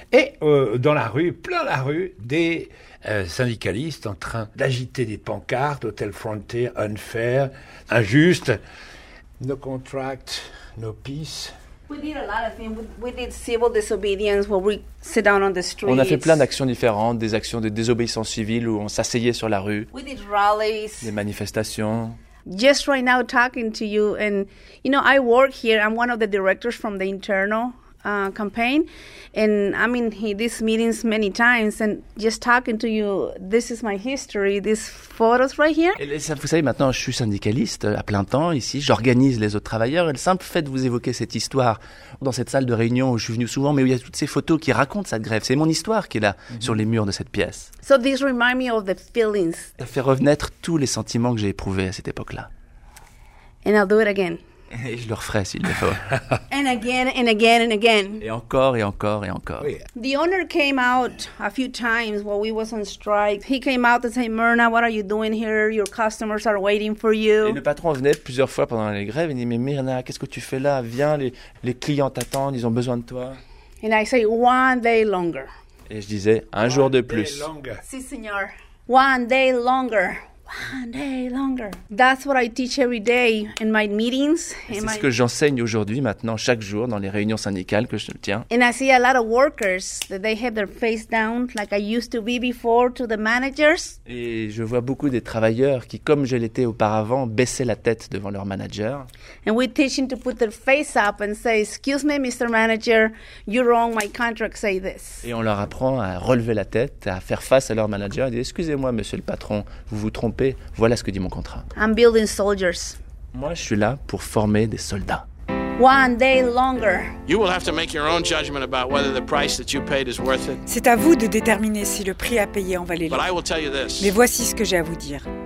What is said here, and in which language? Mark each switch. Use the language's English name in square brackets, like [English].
[French] Et dans la rue, plein la rue, des syndicalistes en train d'agiter des pancartes, Hotel Frontier, unfair, injuste. [English] No contract, no peace. [French] On a fait plein d'actions différentes, des actions de désobéissance civile où on s'asseyait sur la rue, [English] we did rallies, [French] des manifestations. [English] Just right now talking to you, and you know I work here. I'm one of the directors from the internal campaign, and I'm in these meetings many times. And just talking to you, this is my history. These photos right here. [French] Vous savez, maintenant, je suis syndicaliste à plein temps ici. J'organise les autres travailleurs. Et le simple fait de vous évoquer cette histoire dans cette salle de réunion où je suis venu souvent, mais où il y a toutes ces photos qui racontent cette grève, c'est mon histoire qui est là sur les murs de cette pièce. [English] So this reminds me of the feelings. [French] Ça fait revenaître tous les sentiments que j'ai éprouvés à cette époque-là. [English] And I'll do it again. [French] Et je le referai s'il le faut. [English] And again and again and again. [French] Et encore et encore et encore. [English] Oui. The owner came out a few times while we was on strike. He came out and said, Myrna, what are you doing here? Your customers are waiting for you. [French] Et le patron venait plusieurs fois pendant les grèves. Il dit, mais Myrna, qu'est-ce que tu fais là? Viens, les clients t'attendent, ils ont besoin de toi. [English] And I say, one day longer. [French] Et je disais, un jour de plus. [Spanish] Si, señor. [English] One day longer. One day longer. That's what I teach every day in my meetings. [French] C'est ce que j'enseigne aujourd'hui, maintenant, chaque jour, dans les réunions syndicales que je tiens. [English] And I see a lot of workers that they have their face down, like I used to be before, to the managers. [French] Et je vois beaucoup des travailleurs qui, comme je l'étais auparavant, baissaient la tête devant leur manager. [English] And we teach them to put their face up and say, excuse me, Mr. Manager, you're wrong, my contract say this. [French] Et on leur apprend à relever la tête, à faire face à leur manager et dire, excusez-moi, monsieur le patron, vous vous trompez. Voilà ce que dit mon contrat. [English] I'm building soldiers. [French] Moi, je suis là pour former des soldats. [English] One day longer. You will have to make your own judgment about whether the price that you paid is worth it. [French] C'est à vous de déterminer si le prix à payer en valait le [English] coup. But I will tell you this. [French] Mais voici ce que j'ai à vous dire.